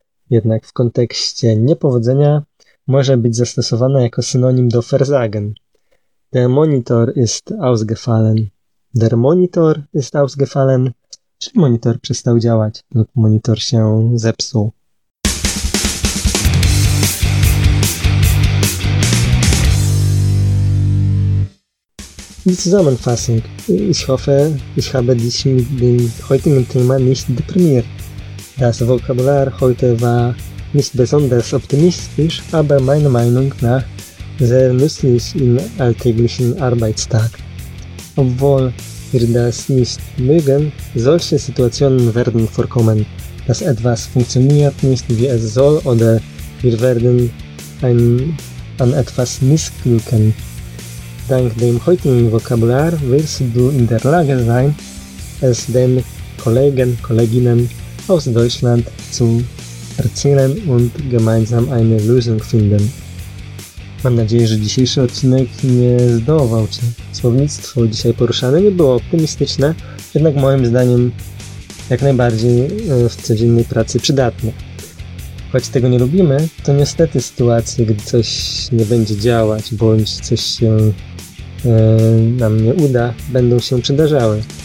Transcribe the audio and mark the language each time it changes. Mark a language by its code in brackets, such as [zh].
[pl] Jednak w kontekście niepowodzenia może być zastosowane jako synonim do versagen. [de] Der Monitor ist ausgefallen. Der Monitor ist ausgefallen. [pl] Czy monitor przestał działać lub monitor się zepsuł. [de] Zusammenfassung. Ich hoffe, ich habe dich mit dem heutigen Thema nicht deprimiert. Das Vokabular heute war nicht besonders optimistisch, aber meiner Meinung nach sehr nützlich im alltäglichen Arbeitstag. Obwohl wir das nicht mögen, solche Situationen werden vorkommen, dass etwas funktioniert nicht, wie es soll, oder wir werden an etwas missglücken. Dank dem heutigen Vokabular wirst du in der Lage sein, es den Kollegen, Kolleginnen aus Deutschland zu erzählen und gemeinsam eine Lösung finden. [pl] Mam nadzieję, że dzisiejszy odcinek nie zdołował Cię. Słownictwo dzisiaj poruszane nie było optymistyczne, jednak moim zdaniem jak najbardziej w codziennej pracy przydatne. Choć tego nie lubimy, to niestety sytuacje, gdy coś nie będzie działać, bądź coś się nam nie uda, będą się przydarzały.